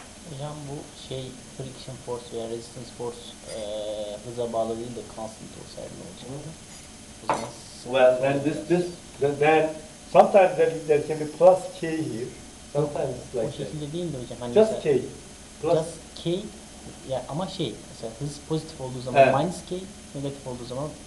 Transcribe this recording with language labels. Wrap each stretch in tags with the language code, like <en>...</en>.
<tr>Hocam bu şey, friction force veya resistance force hıza bağlı değil de constant olsaydı ne olacak?</tr> <en>Well, then this, sometimes there can be plus k here. Sometimes it's like</en> <tr>o şekilde</tr> <en>that.</en> <tr>Değil mi hocam? Hani</tr> <en>just k. Plus just k.</en> <tr>Ya ama şey, mesela hız pozitif olduğu zaman minus k, negatif olduğu zaman</tr>